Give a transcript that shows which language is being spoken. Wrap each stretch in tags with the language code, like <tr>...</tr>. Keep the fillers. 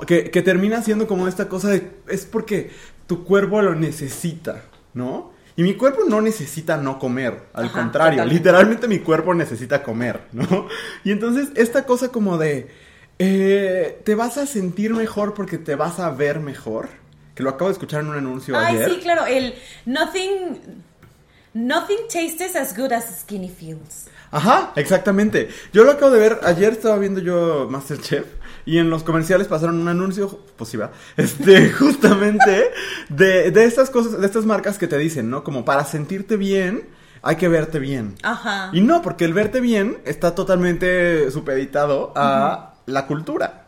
<es>Que, que termina siendo como esta cosa de, es porque tu cuerpo lo necesita, ¿no? Y mi cuerpo no necesita no comer, al Ajá, contrario, totalmente. literalmente mi cuerpo necesita comer, ¿no? Y entonces esta cosa como de, eh, te vas a sentir mejor porque te vas a ver mejor, que lo acabo de escuchar en un anuncio Ay, ayer. sí, claro, el</es> <en>nothing, nothing tastes as good as skinny feels.</en> <es>Ajá, exactamente. Yo lo acabo de ver, ayer estaba viendo yo Masterchef y en los comerciales pasaron un anuncio, pues sí va, este, justamente de, de estas cosas, de estas marcas que te dicen, ¿no? Como para sentirte bien, hay que verte bien. Ajá. Y no, porque el verte bien está totalmente supeditado a la cultura.</es>